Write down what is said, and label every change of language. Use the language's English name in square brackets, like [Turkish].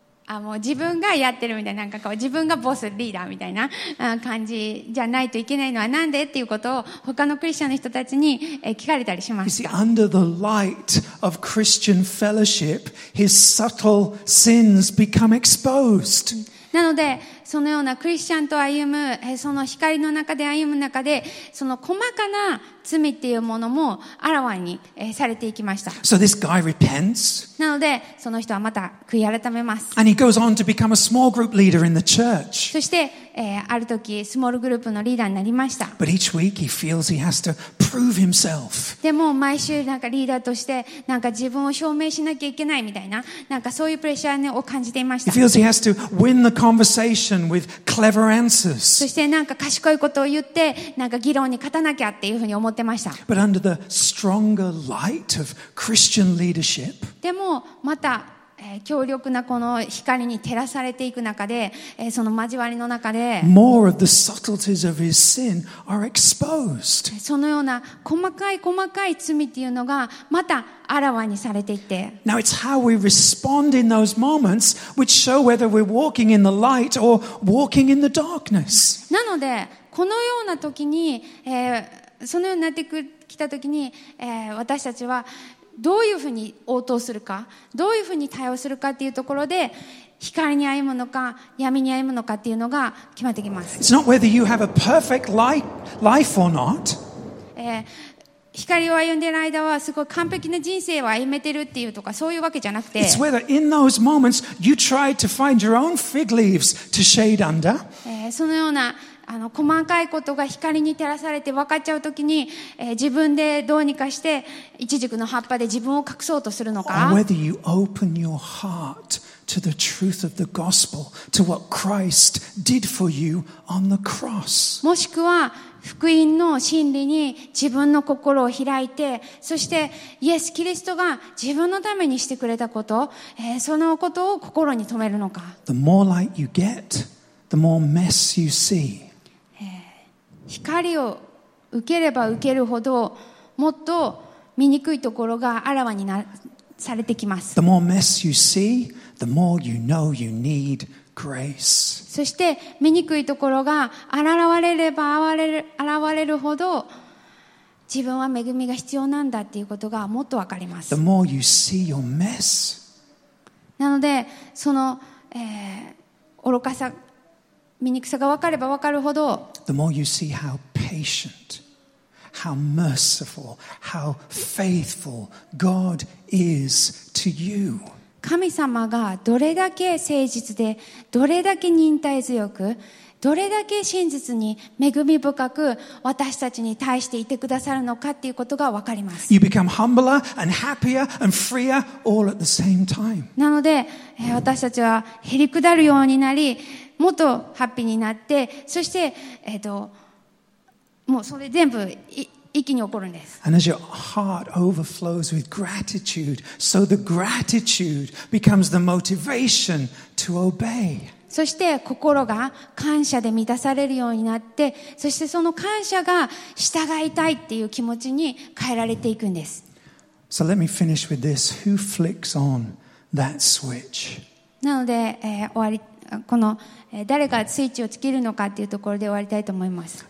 [Japanese] もう自分がやってるみたいな、なんかこう、自分がボス、リーダーみたいな感じじゃないといけないのはなんでっていうことを他のクリスチャンの人たちに聞かれたりしました。 [English] You see, under the light of Christian fellowship, his subtle sins become exposed. [Japanese] なので、そのようなクリスチャンと歩む、その光の中で歩む中で、その細かな罪っていうものもあらわにされていきました。 [English] So this guy repents. [Japanese] なので、その人はまた悔い改めます。 [English] And he goes on to become a small group leader in the church. [Japanese] そして、ある時、スモールグループのリーダーになりました。 [English] But each week he feels he has to prove himself. [Japanese] でも、毎週なんかリーダーとして、なんか自分を証明しなきゃいけないみたいな、なんかそういうプレッシャーを感じていました。 [English] He feels he has to win the conversation. With clever answers. [Japanese] そしてなんか賢いことを言ってなんか議論に勝たなきゃっていうふうに思ってました。 [English] But under the stronger light of Christian leadership, [Japanese] でもまた、強力なこの光に照らされていく中で、その交わりの中で、 [English] more of the subtleties of his sin are exposed. [Japanese] そのような細かい細かい罪っていうのがまたあらわにされていて。 [English] Now it's how we respond in those moments which show whether we're walking in the light or walking in the darkness. [Japanese] なのでこのような時に、そのようになってきた時に、私たちはどういうふうに応答するか、どういうふうに対応するかっていうところで、光に歩むのか、闇に歩むのかっていうのが決まってきます。 [English] It's not whether you have a perfect life or not. [Japanese] 光を歩んでいる間はすごい完璧な人生を歩めてるっていうとかそういうわけじゃなくて、 [English] It's whether in those moments you try to find your own fig leaves to shade under. [Japanese] そのような細かいことが光に照らされて分かっちゃうときに、自分でどうにかして一軸の葉っぱで自分を隠そうとするのか。 [English] Or whether you open your heart to the truth of the gospel, to what Christ did for you on the cross. [Japanese] もしくは福音の真理に自分の心を開いて、そしてイエス・キリストが自分のためにしてくれたこと、そのことを心に留めるのか。 [English] The more light you get, the more mess you see. [Japanese] 光を受ければ受けるほど、もっと見にくいところがあらわになされてきます。 [English] The more mess you see, the more you know you need grace. [Japanese] そして見にくいところが現れるほど、自分は恵みが必要なんだっていうことがもっとわかります。 [English] The more you see your mess, [Japanese] なのでその、愚かさ、醜さがわかればわかるほど、 [English] The more you see how patient. How merciful, how faithful God is to you. [Japanese] 神様がどれだけ誠実で、どれだけ忍耐強く、どれだけ真実に恵み深く私たちに対していてくださるのかっていうことがわかります。 [English] You become humbler and happier and freer all at the same time. [Japanese] なので、私たちはへりくだるようになり、もっとハッピーになって、そして、もうそれ全部一気に起こるんです。 [English] And as your heart overflows with gratitude, so the gratitude becomes the motivation to obey. [Japanese] そして心が感謝で満たされるようになって、そしてその感謝が従いたいっていう気持ちに変えられていくんです。 [English] So let me finish with this. Who flicks on that switch? [Japanese] なので、終わり。この誰がスイッチをつけるのかっていうところで終わりたいと思います。